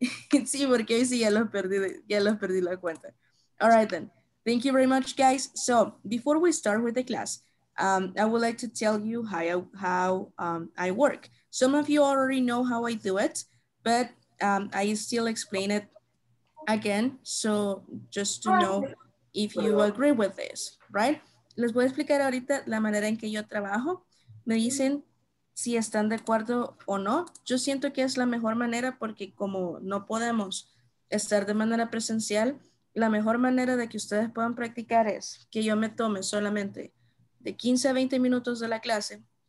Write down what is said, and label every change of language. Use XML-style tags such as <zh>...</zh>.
<es>sí, porque hoy sí ya los perdí la cuenta.</es> <en>All right, then. Thank you very much, guys. So before we start with the class, I would like to tell you how I work. Some of you already know how I do it, but I still explain it again. So just to know if you agree with this, right?</en> <es>Les voy a explicar ahorita la manera en que yo trabajo. Me dicen si están de acuerdo o no. Yo siento que es la mejor manera porque como no podemos estar de manera presencial, la mejor manera de que ustedes puedan practicar es que yo me tome solamente de 15 a 20 minutos de la clase.</es>